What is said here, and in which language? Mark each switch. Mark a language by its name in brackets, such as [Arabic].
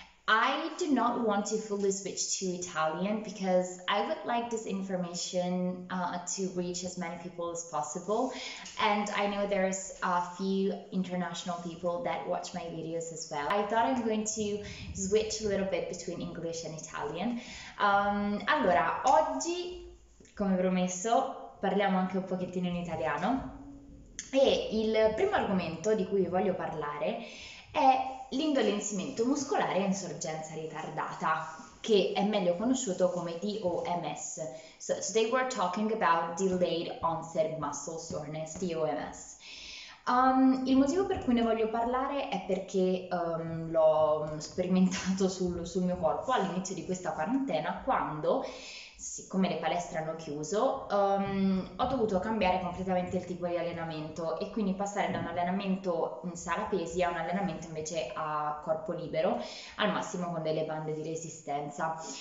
[English] I do not want to fully switch to Italian because I would like this information to reach as many people as possible. And I know there's a few international people that watch my videos as well. I thought I'm going to switch a little bit between English and Italian. [Italian] Allora, oggi, come promesso, parliamo anche un pochettino in italiano. E il primo argomento di cui vi voglio parlare è l'indolenzimento muscolare a insorgenza ritardata, che è meglio conosciuto come DOMS. [English] So today we're talking about delayed onset muscle soreness, DOMS. [Italian] Il motivo per cui ne voglio parlare è perché l'ho sperimentato sul mio corpo all'inizio di questa quarantena, quando, siccome le palestre hanno chiuso, ho dovuto cambiare completamente il tipo di allenamento e quindi passare da un allenamento in sala pesi a un allenamento invece a corpo libero, al massimo con delle bande di resistenza.